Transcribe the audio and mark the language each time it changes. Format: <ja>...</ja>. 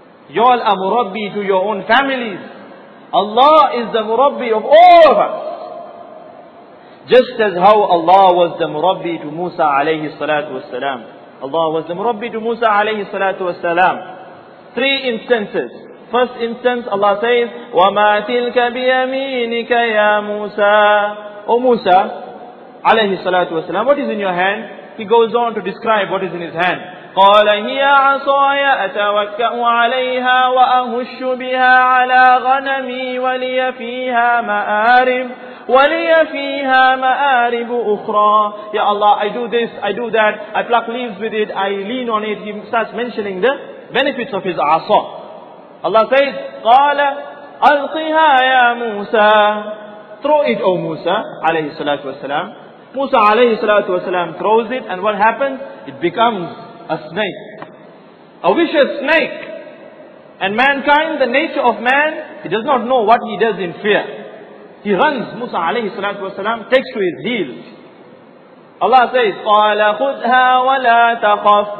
<en>Y'all are murabbi to your own families. Allah is the murabbi of all of us. Just as how Allah was the murabbi to Musa alayhi salatu wasalam. Allah was the murabbi to Musa alayhi salatu wasalam. Three instances. First instance, Allah says,</en> <ar>وَمَا تِلْكَ بِيَمِينِكَ يَا مُوسَى.</ar> <en>O Musa, alayhi salatu wasalam, what is in your hand? He goes on to describe what is in his hand.</en> <ar>قَالَ هِيَ عَصَايَ أَتَوَكَّأُ عَلَيْهَا وَأَهُشُّ بِهَا عَلَى غَنَمِي وَلِيَ فِيهَا مَآرِبُ وَلِيَ فِيهَا مَآرِبُ أُخْرَى.</ar> <en>Ya Allah, I do this, I do that, I pluck leaves with it, I lean on it. He starts mentioning the benefits of his asa. Allah says,</en> <ar>قَالَ أَلْقِهَا يَا مُوسَى.</ar> <en>Throw it, O Musa, alayhi salatu wasalam. Musa alayhi salatu wasalam throws it, and what happens? It becomes a snake. A vicious snake. And mankind, the nature of man, he does not know what he does in fear. He runs, Musa alayhi salatu wasalam, takes to his heels. Allah says,</en> <ar>قَالَ خُذْهَا وَلَا تَخَفْ.</ar>